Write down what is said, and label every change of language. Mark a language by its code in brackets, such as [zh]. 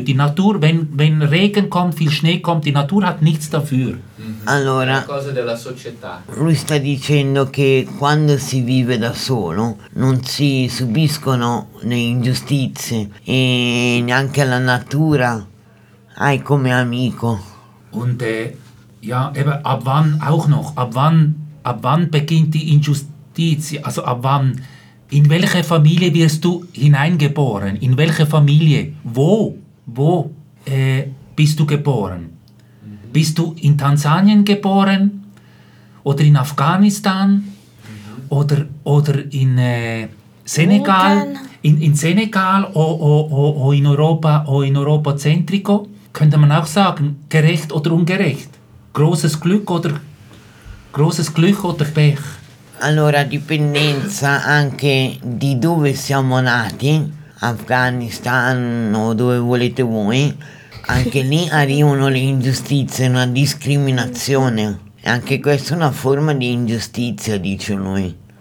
[de] Die Natur, wenn Regen kommt, viel Schnee kommt, die Natur hat nichts dafür. [it] Allora, cose della società. Lui sta dicendo che quando si vive da solo non si subiscono le ingiustizie e neanche la natura hai come amico. [de] Und ja, aber ab wann auch noch? Ab wann beginnt die ingiustizia? Also ab wann? In welche Familie wirst du hineingeboren? In welche Familie? Wo bist du geboren? Bist du in Tansanien geboren oder in Afghanistan oder in Senegal? Bhutan. in Senegal [it] o in Europa zentrico [de] könnte man auch sagen, gerecht oder ungerecht, großes Glück oder Pech. [it] Allora, dipendenza anche di dove siamo nati, Afghanistan o dove volete voi, anche lì arrivano le ingiustizie, una discriminazione. E anche questa è una forma di ingiustizia, dice lui.